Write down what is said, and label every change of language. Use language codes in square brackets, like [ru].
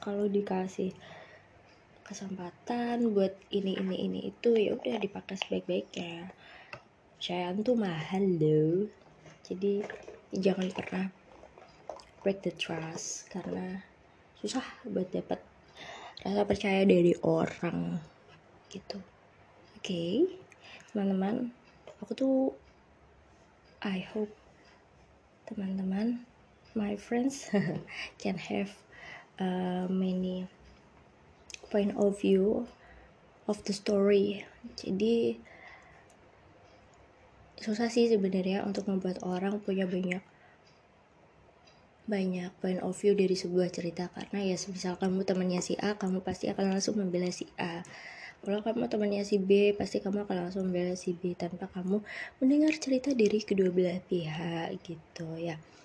[id] Kalau dikasih kesempatan buat ini itu, ya udah dipakai sebaik-baiknya. Sayang tuh mahal loh, jadi jangan pernah [en] break the trust, [id] karena susah buat dapet rasa percaya dari orang gitu. [en] Okay, [id] teman-teman, aku tuh [en] I hope [id] teman-teman, [en] my friends can have many point of view of the story. [id] Jadi susah sih sebenarnya untuk membuat orang punya banyak banyak [en] point of view [id] dari sebuah cerita, karena ya misal kamu temannya si A, kamu pasti akan langsung membela si A. Kalau kamu temannya si B, pasti kamu akan langsung membela si B tanpa kamu mendengar cerita dari kedua belah pihak gitu ya.